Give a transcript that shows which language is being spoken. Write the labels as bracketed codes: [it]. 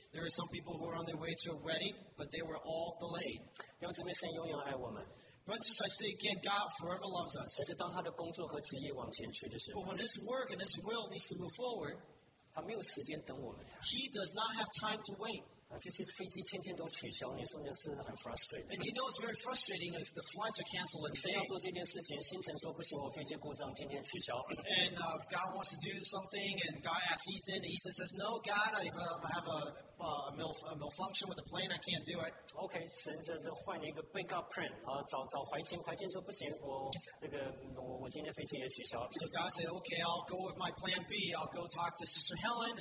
[en] There were some people who were on their way to a wedding, but they were all delayed. [zh] 用这么神永远爱我们。 [en] But as I say again, God forever loves us. [zh] 但是当他的工作和职业往前去的时候 [en] ，But when His work and His will needs to move forward, [zh] 他没有时间等我们。 [en] He does not have time to wait. [zh] 这些飞机天天都取消，你说你是很 frustrated。 [en] And you know it's very frustrating if the flights are canceled. [zh] 谁要做这件事情？星辰说不行，我飞机故障，今天取消。 [en] And if God wants to do something, and God asks Ethan, and Ethan says, "No, God, I have a malfunction with the plane. I can't do it." [zh] Okay, 神在这换了一个 backup plan， 找怀清，怀清说不行，我今天飞机也取消。 [en] So God said, "Okay, I'll go with my plan B. I'll go talk to Sister Helen."